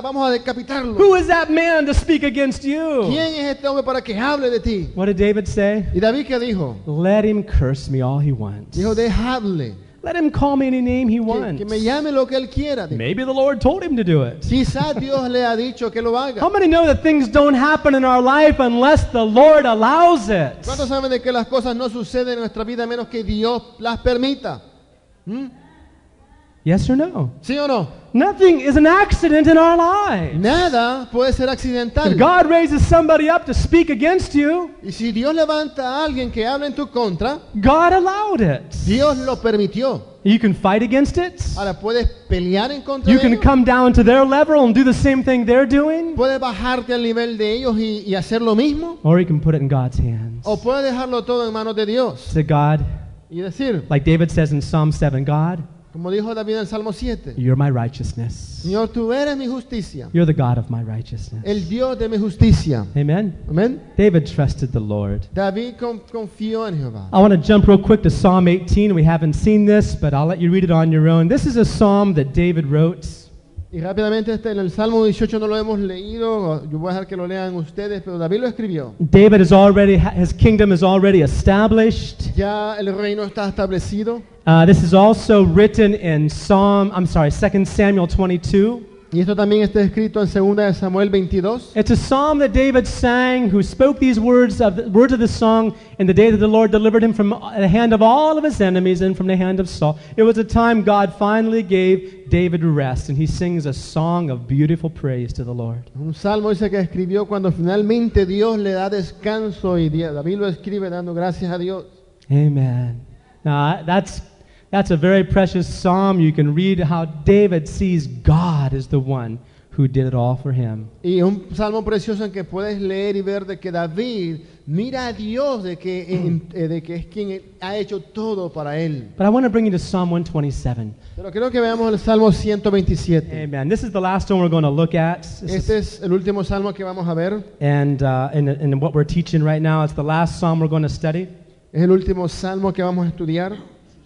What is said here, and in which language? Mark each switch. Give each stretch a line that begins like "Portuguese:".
Spanish: Vamos a decapitarlo."
English: Who is that man to speak against you?
Spanish: ¿Quién es este hombre para que hable de ti?
English: What did David say?
Spanish: ¿Y David qué dijo?
English: "Let him curse me all he wants."
Spanish: Dijo, "Dejadle."
English: Let him call me any name he wants.
Spanish: Que me llame lo que él quiera, dijo.
English: Maybe the Lord told him to do it.
Spanish: Quizás Dios le ha dicho que lo haga.
English: How many know that things don't happen in our life unless the Lord allows it?
Spanish: ¿Cuántos saben de que las cosas no suceden en nuestra vida a menos que Dios las permita?
English: Yes or no?
Spanish: ¿Sí o no?
English: Nothing is an accident in our lives.
Spanish: Nada puede ser accidental.
English: If God raises somebody up to speak against you,
Spanish: y si Dios levanta a alguien que hable en tu contra,
English: God allowed it.
Spanish: Dios lo permitió.
English: You can fight against it.
Spanish: Ahora puedes pelear en contra.
English: You can come down to their level and do the same thing they're doing.
Spanish: Puedes bajarte al nivel de ellos y hacer lo mismo.
English: Or you can put it in God's hands.
Spanish: O puedes dejarlo todo en manos de Dios.
English: Say, God.
Spanish: Y decir,
English: like David says in Psalm 7, God.
Spanish: Como dijo David en Salmo 7,
English: "You're my righteousness.
Spanish: Señor, tú eres mi justicia.
English: You're the God of my righteousness.
Spanish: El Dios de mi justicia."
English: Amen.
Spanish: Amen.
English: David trusted the Lord.
Spanish: David confió en Jehová.
English: I want to jump real quick to Psalm 18. We haven't seen this, but I'll let you read it on your own. This is a psalm that David wrote.
Spanish: Y rápidamente este, en el Salmo 18 no lo hemos leído, yo voy a dejar que lo lean ustedes, pero David lo escribió.
English: David is already, his kingdom is already established.
Spanish: Ya el reino está establecido.
English: This is also written in Second Samuel 22.
Spanish: Y esto también está escrito en 2 Samuel 22.
English: It's a psalm that David sang, who spoke these words of the song in the day that the Lord delivered him from the hand of all of his enemies and from the hand of Saul. It was a time God finally gave David rest, and he sings a song of beautiful praise to the Lord.
Spanish: Un salmo dice que escribió cuando finalmente Dios le da descanso, y David lo escribe dando gracias a Dios.
English: Amen. Now, that's a very precious psalm. You can read how David sees God as the one who did it all for him.
Spanish: Y un salmo precioso en que puedes leer y ver de que David mira a Dios de que es quien ha hecho todo para él.
English: But I want to bring you to Psalm 127.
Spanish: Pero creo que veamos el Salmo 127.
English: Amen. This is the last one we're going to look at.
Spanish: Este es el último salmo que vamos a ver.
English: And in what we're teaching right now, it's the last psalm we're going to study.
Spanish: Es el último salmo que vamos a estudiar.